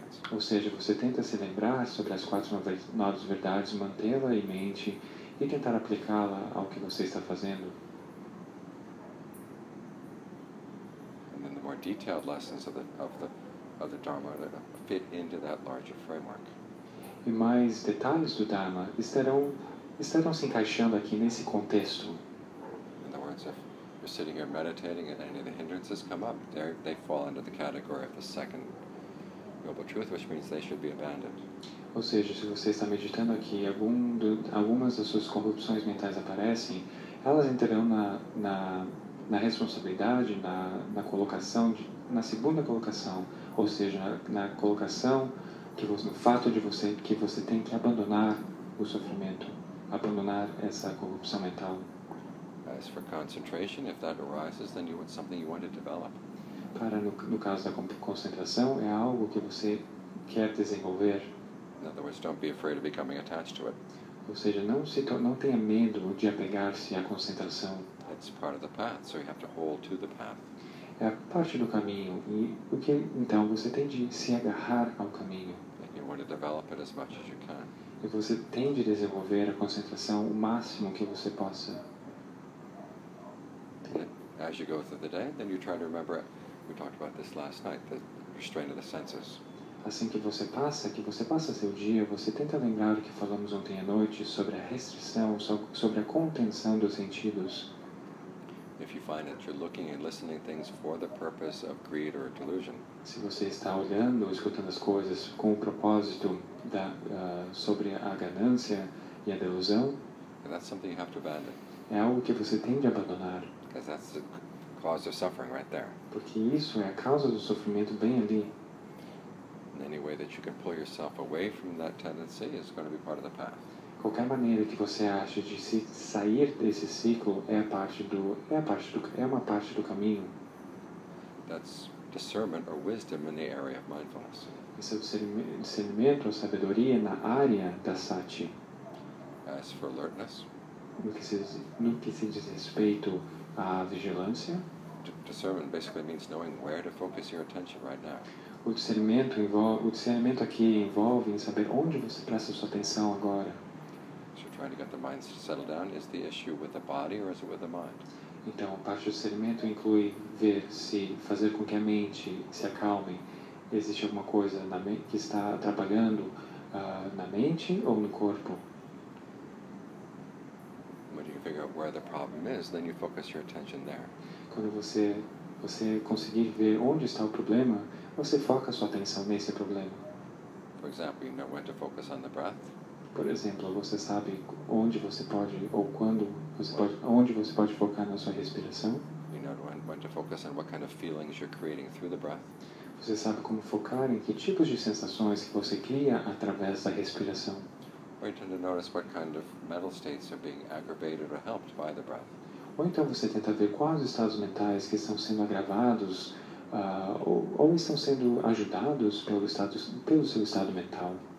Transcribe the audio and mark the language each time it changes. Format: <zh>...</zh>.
<pt>Ou seja, você tenta se lembrar sobre as quatro novas verdades, mantê-la em mente e tentar aplicá-la ao que você está fazendo.</pt> <en>And then the more detailed lessons of the Dharma fit into that larger framework.</en> <pt>E mais detalhes do Dharma estarão se encaixando aqui nesse contexto.</pt> <en>In other words, if you're sitting here meditating and any of the hindrances come up, they fall under the category of the second noble truth, which means they should be abandoned.</en> <pt>Ou seja, se você está meditando aqui e algumas das suas corrupções mentais aparecem, elas entrarão na responsabilidade, na colocação, na segunda colocação, ou seja, na colocação que você, no fato de você que você tem que abandonar o sofrimento. Abandonar essa corrupção mental.</pt> <en>As for concentration, if that arises, then it's something you want to develop.</en> <pt>Para no caso da concentração, é algo que você quer desenvolver.</pt> <en>In other words, don't be afraid of becoming attached to it.</en> <pt>Ou seja, não tenha medo de apegar-se à concentração.</pt> <en>It's part of the path, so you have to hold to the path.</en> <pt>É parte do caminho, e o que então você tem de se agarrar ao caminho.</pt> <en>And you want to develop it as much as you can.</en> <pt>E você tem de desenvolver a concentração o máximo que você possa.</pt> <en>as you go through the day, then you try to remember it. We talked about this last night, the restraint of the senses.</en> <pt>Assim que você passa seu dia, você tenta lembrar o que falamos ontem à noite sobre a restrição, sobre a contenção dos sentidos.</pt> <en>If you find that you're looking and listening to things for the purpose of greed or delusion.</en> <pt>Se você está olhando ou escutando as coisas com o propósito da sobre a ganância e a delusão,</pt> <en>that's something you have to abandon.</en> <pt>É algo que você tem de abandonar.</pt> <en>Because that's the cause of suffering right there.</en> <pt>Porque isso é a causa do sofrimento bem ali.</pt> <en>And any way that you can pull yourself away from that tendency is going to be part of the path.</en> <pt>Qualquer maneira que você acha de se sair desse ciclo é uma parte do caminho.</pt> <en>That's discernment or wisdom in the area of mindfulness.</en> <pt>Esse é discernimento ou sabedoria na área da sati.</pt> <en>As for alertness.</en> <pt>No que se diz respeito à vigilância.</pt> <en>Discernment basically means knowing where to focus your attention right now.</en> <pt>O discernimento aqui envolve em saber onde você presta sua atenção agora.</pt> <en>Trying to get the mind to settle down, is the issue with the body or is it with the mind?</en> <pt>Então, parte do discernimento inclui ver se fazer com que a mente se acalme. Existe alguma coisa na que está atrapalhando na mente ou no corpo?</pt> <en>When you figure out where the problem is, then you focus your attention there.</en> <pt>Quando você conseguir ver onde está o problema, você foca sua atenção nesse problema.</pt> <en>For example, you know when to focus on the breath.</en> <pt>Por exemplo, você sabe onde você pode ou quando você pode, onde você pode focar na sua respiração?</pt> <en>You know when to focus on what kind of feelings you're creating through the breath.</en> <pt>Você sabe como focar em que tipos de sensações que você cria através da respiração?</pt> <en>Or you tend to notice what kind of mental states are being aggravated or helped by the breath.</en> <pt>Ou então você tenta ver quais estados mentais que estão sendo agravados ou estão sendo ajudados pelo seu estado mental.</pt>